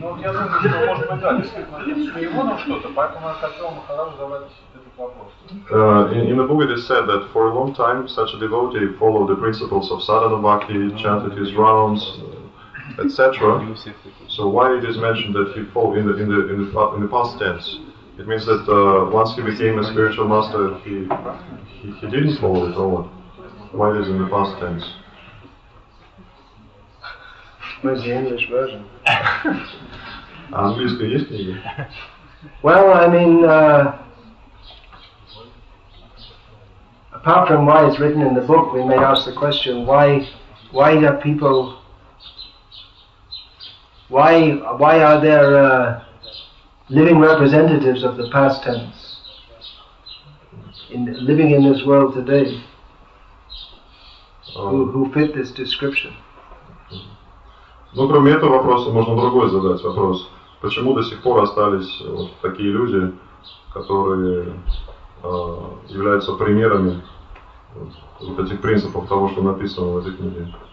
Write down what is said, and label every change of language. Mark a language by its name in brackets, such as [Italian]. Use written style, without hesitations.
[Russian] Ну, я думаю, что, может быть, да, действительно, если его нам что-то, поэтому я хотел бы хорошо задавать этот вопрос. [English] In the book it is said that for a long time such a devotee followed the principles of sadhana bhakti, chanted his rounds, etc. So why it is mentioned that he followed in the past tense? It means that once he became a spiritual master, he didn't follow it or what? Why it is in the past tense? Where's the English version? English is easy. Well, I mean, apart from why it's written in the book, we may ask the question: Why are there living representatives of the past tense living in this world today? Who fit this description? [Russian] Ну, кроме этого вопроса, можно другой задать вопрос. Почему до сих пор остались вот такие люди, которые являются примерами вот этих принципов того, что написано в этой книге?